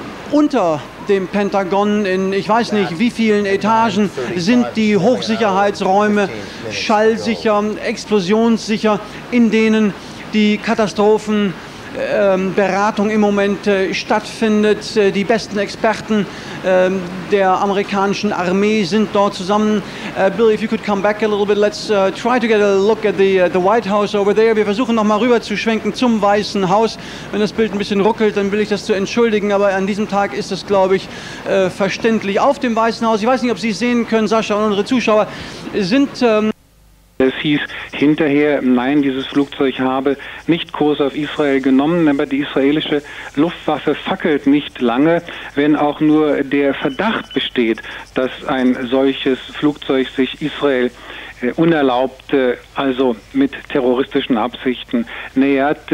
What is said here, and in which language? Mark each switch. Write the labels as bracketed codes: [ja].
[de] Unter dem Pentagon in ich weiß nicht wie vielen Etagen sind die Hochsicherheitsräume schallsicher, explosionssicher, in denen die Katastrophenberatung im Moment stattfindet. Die besten Experten der amerikanischen Armee sind dort zusammen. [en] Bill, if you could come back a little bit, let's try to get a look at the White House over there. [de] Wir versuchen nochmal rüber zu schwenken zum Weißen Haus. Wenn das Bild ein bisschen ruckelt, dann will ich das zu entschuldigen, aber an diesem Tag ist das, glaube ich, verständlich. Auf dem Weißen Haus, ich weiß nicht, ob Sie sehen können, Sascha und unsere Zuschauer, sind... Es hieß hinterher, nein, dieses Flugzeug habe nicht Kurs auf Israel genommen, aber die israelische Luftwaffe fackelt nicht lange, wenn auch nur der Verdacht besteht, dass ein solches Flugzeug sich Israel unerlaubt, also mit terroristischen Absichten nähert.